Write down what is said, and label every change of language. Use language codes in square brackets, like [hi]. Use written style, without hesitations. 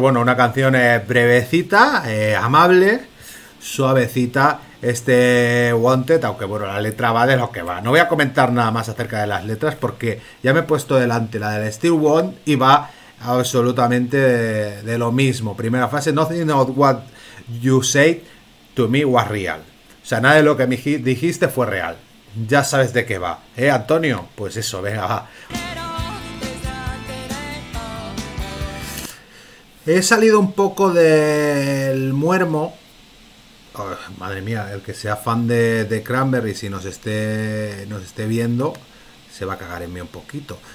[es] Bueno, una canción brevecita, amable, suavecita. Este Wanted, aunque bueno, la letra va de lo que va. No voy a comentar nada más acerca de las letras porque ya me he puesto delante la del Still Want y va absolutamente de lo mismo. Primera frase: [en] Nothing of what you said to me was real. [es] O sea, nada de lo que me dijiste fue real. Ya sabes de qué va, ¿eh, Antonio? Pues eso, venga, va. He salido un poco del muermo. Oh, madre mía, el que sea fan de Cranberries y nos esté viendo, se va a cagar en mí un poquito.